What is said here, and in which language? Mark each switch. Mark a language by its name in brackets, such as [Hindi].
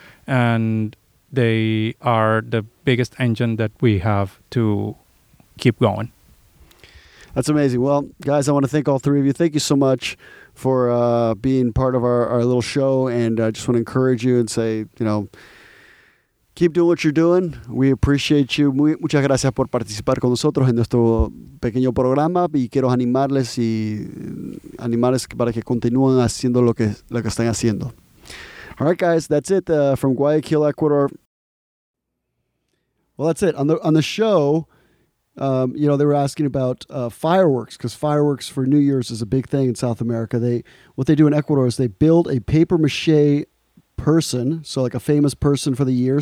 [English] And they are the biggest engine that we have to keep going. That's amazing. Well, guys, I want to thank all three of you. Thank you so much for being part of our little show. And I just want to encourage you and say, you know, keep doing what you're doing. We appreciate you. [Spanish] Muchas gracias por participar con nosotros en nuestro pequeño programa. Y quiero animarles y animarles para que continúen haciendo lo que están haciendo. [English] All right, guys, that's it from Guayaquil, Ecuador. Well, that's it. On the show, you know, they were asking about fireworks, because fireworks for New Year's is a big thing in South America. What they do in Ecuador is they build a papier-mâché person, so like a famous person for the year.